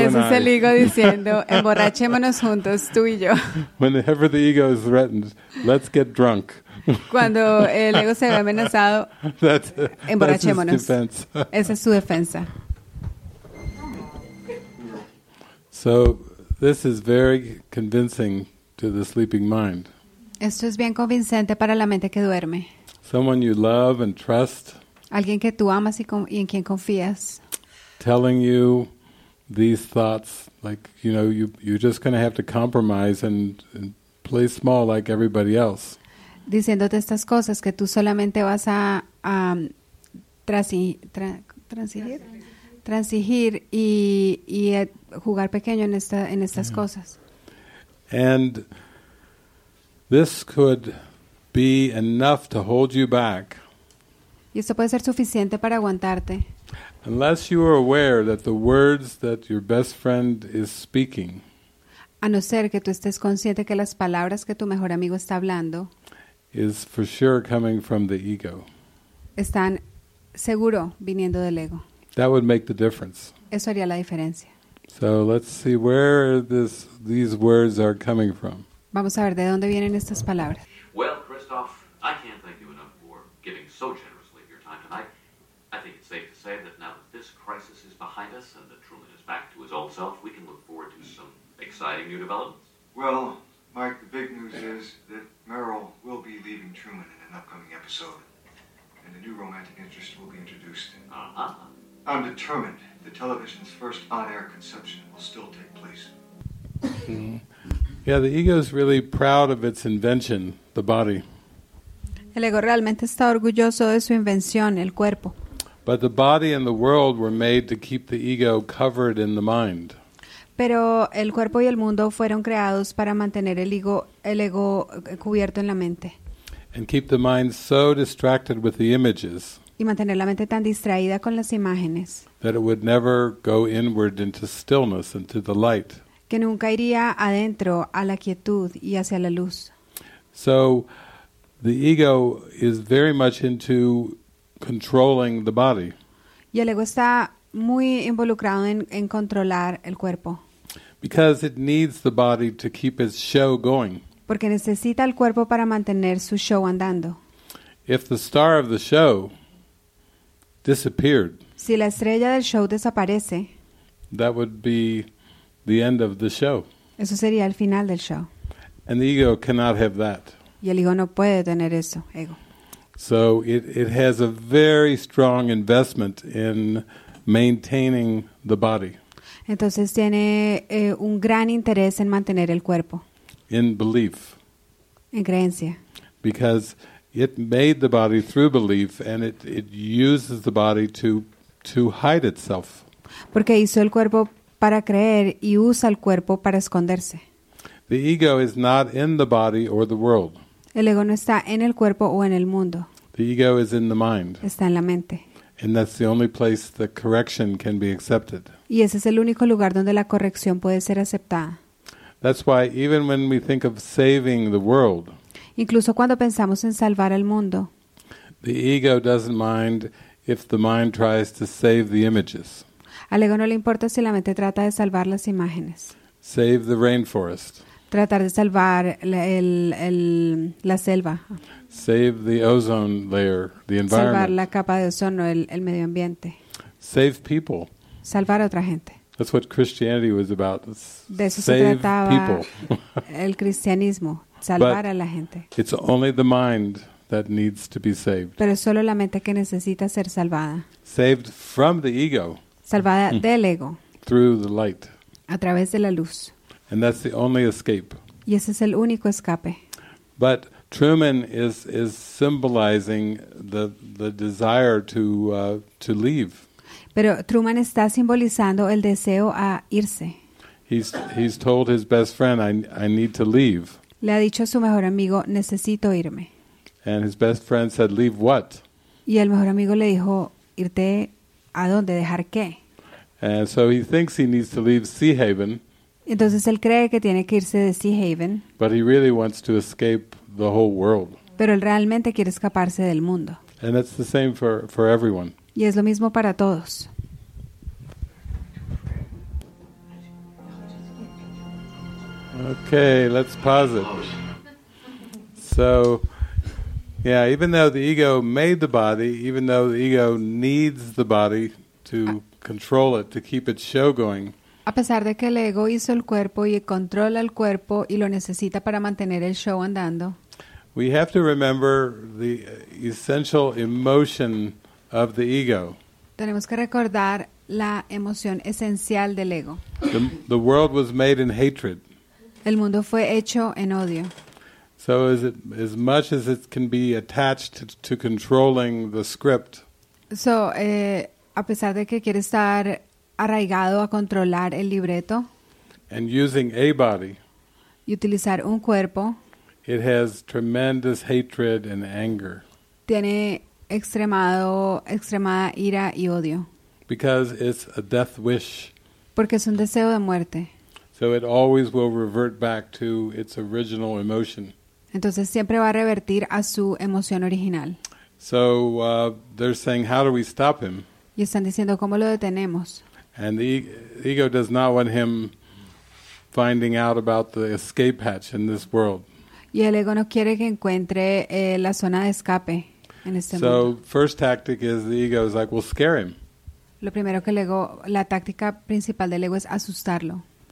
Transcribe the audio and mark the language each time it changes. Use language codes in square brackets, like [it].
[en] and [es] Y ese es el ego diciendo, emborrachémonos juntos, tú y yo. [en] Whenever the ego is threatened, let's get drunk. [es] Cuando el ego se ve amenazado, emborrachémonos. [en] That's his defense. [es] Esa es su defensa. [en] So, this is very convincing to the sleeping mind. [es] Esto es bien convincente para la mente que duerme. [en] Someone you love and trust. [es] Alguien que tú amas y en quien confías. [en] Telling you these thoughts, like, you know, you're just going to have to compromise and play small like everybody else. [es] Diciéndote estas cosas, que tú solamente vas a transigir y jugar pequeño en estas yeah. cosas. [en] And this could be enough to hold you back. [es] Y esto puede ser suficiente para aguantarte. [en] Unless you are aware that the words that your best friend is speaking, [es] a no ser que tú estés consciente que las palabras que tu mejor amigo está hablando, [en] is for sure coming from the ego, [es] están seguro viniendo del ego. [en] That would make the difference. [es] Eso haría la diferencia. [en] So let's see where these words are coming from. [es] Vamos a ver de dónde vienen estas palabras. [en] Well, Christoph, I can't thank you enough for giving so generously of your time tonight. I think it's safe to say that now that this crisis is behind us and that Truman is back to his old self, we can look forward to some exciting new developments. Well, Mike, the big news is that Merrill will be leaving Truman in an upcoming episode, and a new romantic interest will be introduced. Uh-huh. I'm determined the television's first on-air conception will still take place. Yeah, the ego is really proud of its invention, the body. [es] El ego realmente está orgulloso de su invención, el cuerpo. [en] But the body and the world were made to keep the ego covered in the mind. [es] Pero el cuerpo y el mundo fueron creados para mantener el ego cubierto en la mente. [en] And keep the mind so distracted with the images. [es] Y mantener la mente tan distraída con las imágenes. [en] That it would never go inward into stillness and to the light. [es] Que nunca iría adentro a la quietud y hacia la luz. [en] So, the ego is very much into controlling the body. [es] Y el ego está muy involucrado en controlar el cuerpo. [en] Because it needs the body to keep its show going. [es] Porque necesita el cuerpo para mantener su show andando. [en] If the star of the show disappeared, [es] si la estrella del show desaparece, [en] that would be the end of the show. [es] Eso sería el final del show. [en] And the ego cannot have that. [es] Y el ego no puede tener eso, ego. [en] So it has a very strong investment in maintaining the body. [es] Entonces tiene un gran interés en mantener el cuerpo. [en] In belief. [es] En creencia. [en] Because it made the body through belief and it uses the body to hide itself. [es] Porque hizo el cuerpo para creer y usa el cuerpo para esconderse. [en] The ego is not in the body or the world. [es] El ego no está en el cuerpo o en el mundo. [en] The ego is in the mind. [es] Está en la mente. [en] And that's the only place the correction can be accepted. [es] Y ese es el único lugar donde la corrección puede ser aceptada. [en] That's why even when we think of saving the world, [es] incluso cuando pensamos en salvar el mundo, [en] the ego doesn't mind if the mind tries to save the images. [es] Al ego no le importa si la mente trata de salvar las imágenes. [en] Save the rainforest. [es] Tratar de salvar la selva. [en] Save the ozone layer, the environment. [es] Salvar la capa de ozono, el medio ambiente. [en] Save people. [es] Salvar a otra gente. [en] That's what Christianity was about. [es] De eso [en] save [es] se trataba [en] people. [es] El cristianismo, salvar a la gente. [en] It's only the mind that needs to be saved. [es] Pero es solo la mente que necesita ser salvada. [en] Saved from the ego. [es] Salvada del ego. [en] Through the light. [es] A través de la luz. [en] And that's the only escape. [es] Y ese es el único escape. [en] But Truman is symbolizing the desire to leave. [es] Pero Truman está simbolizando el deseo a irse. [en] He's told his best friend, I need to leave. [es] Le ha dicho a su mejor amigo, necesito irme. [en] And his best friend said, leave what? [es] Y el mejor amigo le dijo, irte a dónde, dejar qué. [en] And so he thinks he needs to leave Sea Haven. [es] Entonces él cree que tiene que irse de Sea Haven. [en] But he really wants to escape the whole world. [es] Pero él realmente quiere escaparse del mundo. [en] And that's the same for everyone. [es] Y es lo mismo para todos. [en] Okay, let's pause it. So, yeah, even though the ego made the body, even though the ego needs the body to control it, to keep its show going. [es] A pesar de que el ego hizo el cuerpo y controla el cuerpo y lo necesita para mantener el show andando. [en] We have to remember the essential emotion of the ego. [es] Tenemos que recordar la emoción esencial del ego. [en] The world was made in hatred. [es] El mundo fue hecho en odio. [en] So as much as it can be attached to controlling the script. [es] So a pesar de que quiere estar arraigado a controlar el libreto. [en] And using a body. [es] Y utilizar un cuerpo. [en] It has tremendous hatred and anger. [es] Tiene extremada ira y odio. [en] Because it's a death wish. [es] Porque es un deseo de muerte. [en] So it always will revert back to its original emotion. [es] Entonces siempre va a revertir a su emoción original. [en] So they're saying, how do we stop him? [es] Y están diciendo, ¿cómo lo detenemos? [en] And the ego does not want him finding out about the escape hatch in this world. [es] Y el ego no quiere que encuentre la zona de escape en este [en] mundo. So first tactic is the ego is like, we'll scare him. [es] Lo primero que el ego, la táctica principal del ego es asustarlo.